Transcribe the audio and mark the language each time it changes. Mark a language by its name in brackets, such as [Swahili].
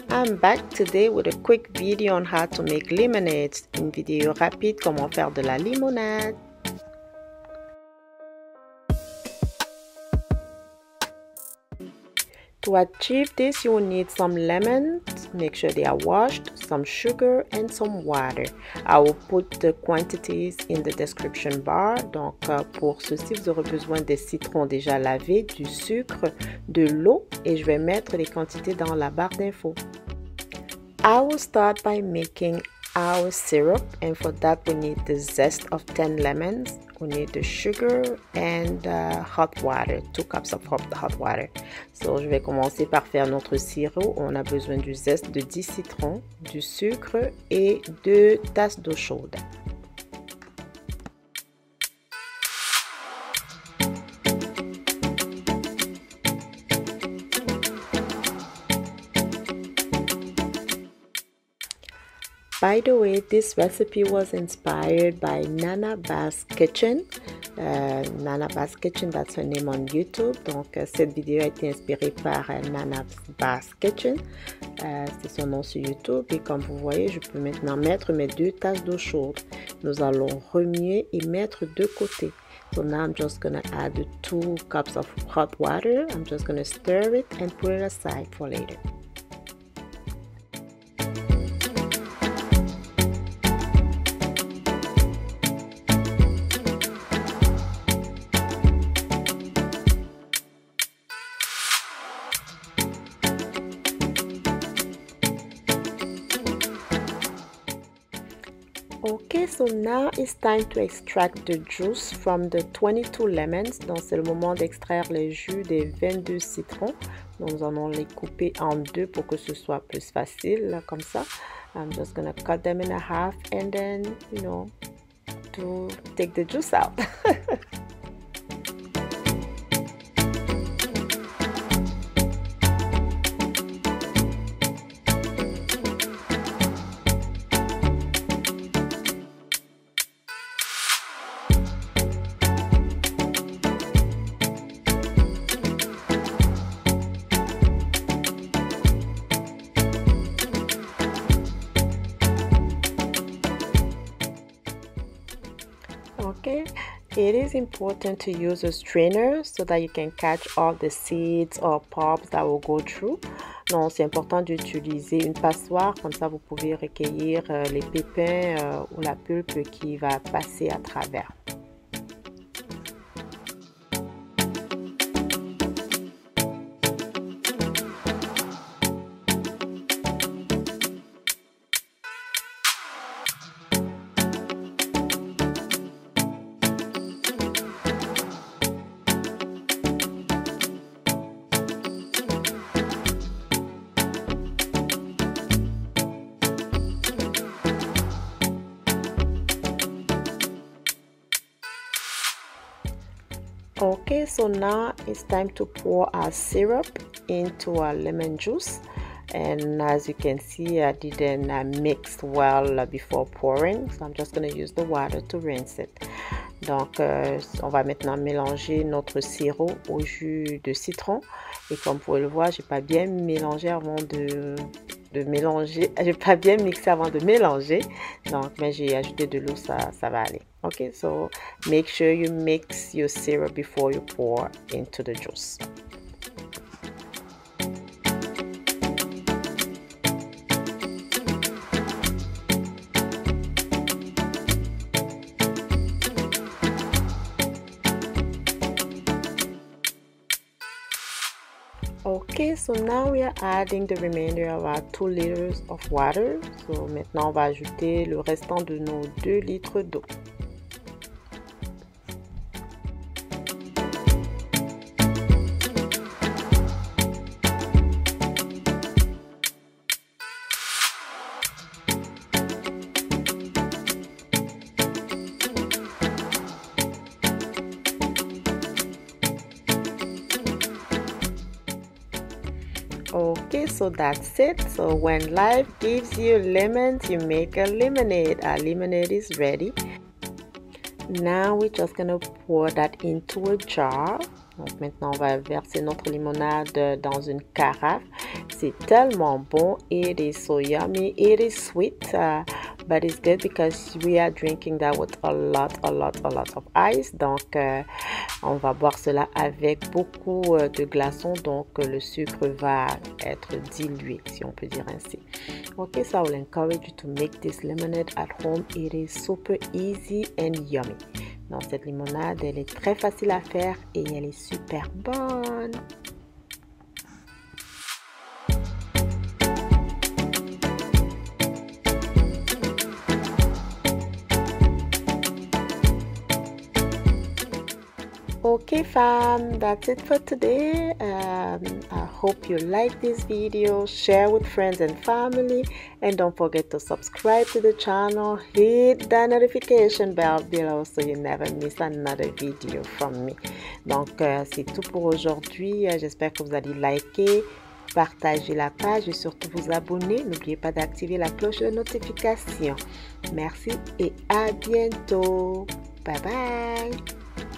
[English] I'm back today with a quick video on how to make lemonade. [French] Une vidéo rapide, comment faire de la limonade. [English] To achieve this, you will need some lemons, make sure they are washed, some sugar and some water. I will put the quantities in the description bar. [French] Donc pour ceci, vous aurez besoin des citrons déjà lavés, du sucre, de l'eau et je vais mettre les quantités dans la barre d'infos. [English] I will start by making our syrup and for that we need the zest of 10 lemons. We need the sugar and hot water, 2 cups of hot water. [French] So je vais commencer par faire notre sirop. On a besoin du zeste de 10 citrons, du sucre et 2 tasses d'eau chaude. [English] By the way, this recipe was inspired by Nanaaba's Kitchen. Nanaaba's Kitchen, that's her name on YouTube. [French] Donc, cette vidéo a été inspirée par Nanaaba's Kitchen. C'est son nom sur YouTube. Et comme vous voyez, je peux maintenant mettre mes 2 tasses d'eau chaude. Nous allons remuer et mettre de côté. [English] So now I'm just going to add 2 cups of hot water. I'm just going to stir it and put it aside for later. Okay, so now it's time to extract the juice from the 22 lemons. [French] Donc c'est le moment d'extraire le jus des 22 citrons. Donc nous allons les couper en 2 pour que ce soit plus facile, comme ça. [English] I'm just gonna cut them in a half and then, you know, to take the juice out. Okay, it is important to use a strainer so that you can catch all the seeds or pulps that will go through. [French] Non, c'est important d'utiliser une passoire, comme ça vous pouvez recueillir les pépins ou la pulpe qui va passer à travers. [English] Okay, so now it's time to pour our syrup into our lemon juice. And as you can see, I didn't mix well before pouring. So I'm just going to use the water to rinse it. [French] Donc, on va maintenant mélanger notre sirop au jus de citron. Et comme vous pouvez le voir, j'ai pas bien mixé avant de mélanger. Donc, mais j'ai ajouté de l'eau, ça va aller. [English] Okay, so make sure you mix your syrup before you pour into the juice. Okay, so now we are adding the remainder of our 2 liters of water. [French] So maintenant on va ajouter le restant de nos 2 litres d'eau. [English] Okay, so that's it. So when life gives you lemons, you make a lemonade. Our lemonade is ready. Now we're just gonna pour that into a jar. [French] Donc maintenant, on va verser notre limonade dans une carafe. C'est tellement bon. [English] It is so yummy. It is sweet. But it's good because we are drinking that with a lot of ice. [French] Donc, on va boire cela avec beaucoup de glaçons. Donc, le sucre va être dilué, si on peut dire ainsi. [English] Okay, so I will encourage you to make this lemonade at home. It is super easy and yummy. [French] Donc, cette limonade, elle est très facile à faire et elle est super bonne. [English] Okay fam, that's it for today. I hope you like this video. Share with friends and family. And don't forget to subscribe to the channel. Hit the notification bell below so you never miss another video from me. [French] Donc, c'est tout pour aujourd'hui. J'espère que vous allez liker, partager la page et surtout vous abonner. N'oubliez pas d'activer la cloche de notification. Merci et à bientôt. Bye bye.